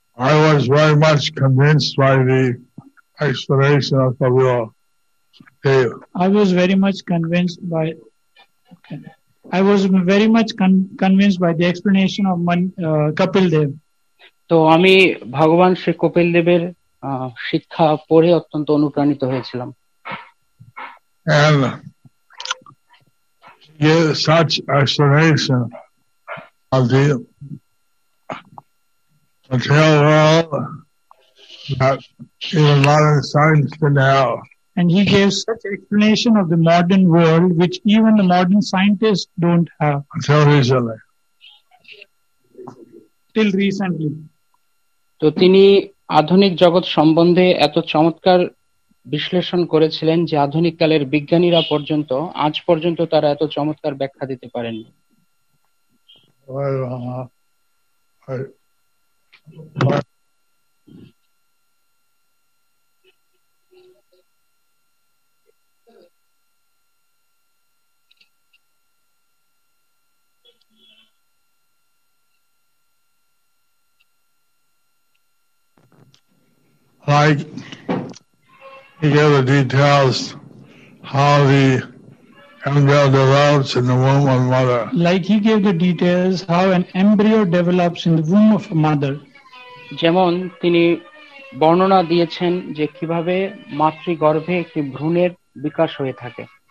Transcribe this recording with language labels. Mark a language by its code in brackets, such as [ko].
[en] I was very much convinced by the explanation of Kapila. I was very much convinced by the explanation of Kapil Dev. [bn] তো আমি ভগবান শ্রী কপিল দেবের শিক্ষা পড়ে অত্যন্ত অনুপ্রাণিত হয়েছিলাম। [en] And such explanation of the material world that even modern science can have. And he gave such explanation of the modern world which even the modern scientists don't have. Till recently. [bn] তো তিনি আধুনিক জগৎ সম্বন্ধে এত চমৎকার বিশ্লেষণ করেছিলেন যে আধুনিক কালের বিজ্ঞানীরা পর্যন্ত আজ পর্যন্ত তারা এত চমৎকার ব্যাখ্যা দিতে পারেন। [en] Well, like he gave the details how the embryo develops in the womb of mother. Like he gave the details how an embryo develops in the womb of a mother. [bn] যেমন তিনি বর্ণনা দিয়েছেন যে কিভাবে মাতৃ গর্ভে একটি ভ্রূণের বিকাশ হয়ে থাকে।